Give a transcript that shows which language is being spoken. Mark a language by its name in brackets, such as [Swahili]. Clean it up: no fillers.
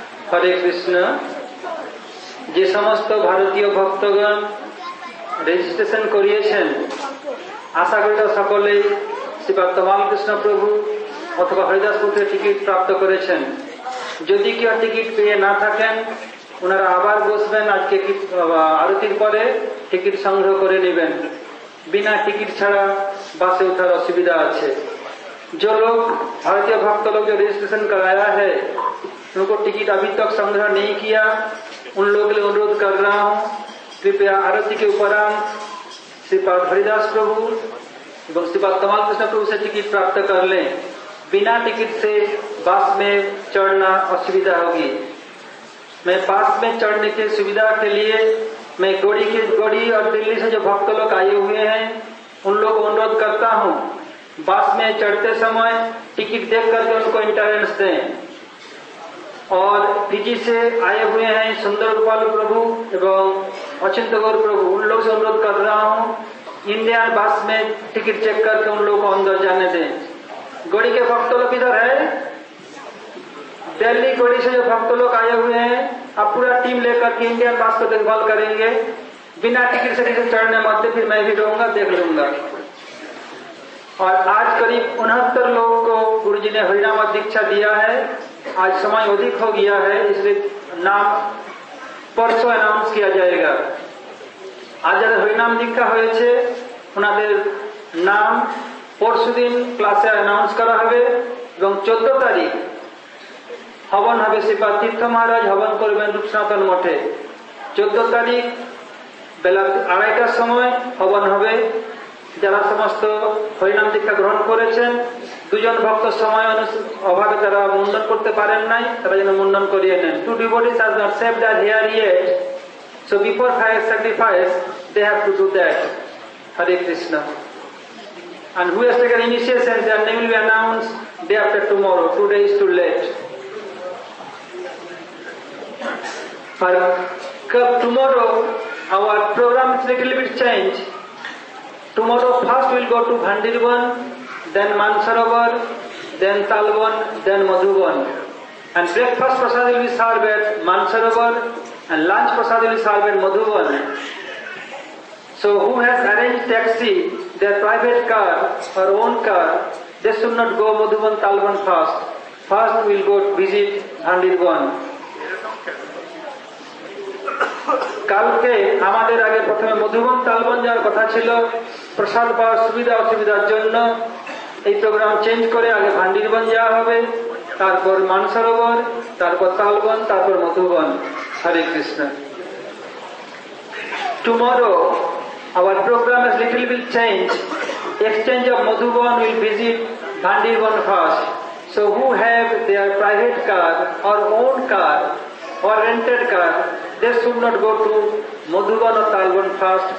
[Bangla] Hare Krishna. Je samasto bharatiya bhaktagan registration koriyechen, asha korita sakolei Shri Bhaktivedanta Krishna Prabhu অথবা হরিদাসপুরে ticket প্রাপ্ত করেছেন। যদি কেউ ticket পেয়ে না থাকেন, ওনারা আবার বসবেন আজকে আরতির পরে, টিকিট সংগ্রহ করে নেবেন। বিনা টিকিট ছাড়া বাসে ওঠার অসুবিধা আছে। [Hindi] যে লোক ভারতীয় ভক্ত লোক রেজিস্ট্রেশন করাইয়া হ্যাঁ, উনকো টিকিট আবি তক সংগ্রহ নেই কিয়া, উন লোক লে অনুরোধ কর রহা হুঁ, কৃপয়া আরতি কে উপরান্ত শ্রীপাদ হরিদাস প্রভু এবং শ্রীপাদ কমল কৃষ্ণ প্রভু সে টিকিট প্রাপ্ত কর লেন। बिना टिकट से बस में चढ़ना असुविधा होगी। मैं बस में चढ़ने के सुविधा के लिए मैं गोड़ी और दिल्ली से जो भक्त लोग आए हुए हैं, उन लोगों को अनुरोध करता हूँ, बस में चढ़ते समय टिकट देख करके उनको इंटरेंस दें। और फिजी से आए हुए हैं सुंदर गोपाल प्रभु एवं अचिंत गौर प्रभु, उन लोगों से अनुरोध कर रहा हूँ, इंडियन बस में टिकट चेक करके उन लोगों को अंदर जाने दें। गोड़ी के भक्त लोग इधर है, दिल्ली गोड़ी से जो भक्त लोग आए हुए हैं, आप पूरा टीम लेकर के इंडियन बस को देखभाल करेंगे। बिना टिकट से नीचे चढ़ने मत दे, फिर मैं भी रहूंगा देख लूंगा। और आज करीब 69 लोगों को गुरु जी ने हरिनाम दीक्षा दिया है, आज समय अधिक हो गया है, इसलिए नाम परसों अनाउंस किया जाएगा। आज जब हरिनाम दीक्षा हो नाम [Bangla] পরশুদিন ক্লাসে অ্যানাউন্স করা হবে এবং 14 তারিখ হবন হবে শ্রীপাদ তীর্থ মহারাজ হবন করবেন রূপ সনাতন মঠে। 14 তারিখ বেলা 2:30টার সময় হবন হবে। যারা সমস্ত হরিনাম দীক্ষা গ্রহণ করেছেন, দুজন ভক্ত সময় অভাবে তারা মুন্ডন করতে পারেন নাই, তারা যেন মুন্ডন করিয়ে নেন। [English] To devotees are not shave that here yet, so before fire sacrifice they have to do that. [Bangla] Hare Krishna. [English] And who has taken initiation, their name will be announced day after tomorrow. Today is too late. For tomorrow, our program is a little bit changed. Tomorrow first we'll go to Bhandirvan, then Mansarovar, then Talvan, then Madhuvan. And breakfast prasad will be served at Mansarovar, and lunch prasad will be served at Madhuvan. So who has arranged taxi, their private car or own car, they should not go Madhuvan Talvan first. First we'll go visit Bhandirvan. [Bangla] কালকে আমাদের আগে প্রথমে মধুবন তালবন যাওয়ার কথা ছিল, প্রসাদ পাওয়ার সুবিধা অসুবিধার জন্য এই প্রোগ্রাম চেঞ্জ করে আগে ভান্ডিরবন যাওয়া হবে, তারপর মানসরোবর, তারপর তালবন, তারপর মধুবন। হরে Krishna. [English] Tomorrow our program is little bit changed. Exchange of Madhuvan will visit Bhandirvan first. So who have their private car or own car or rented car, they should not go to Madhuban or Talwan first.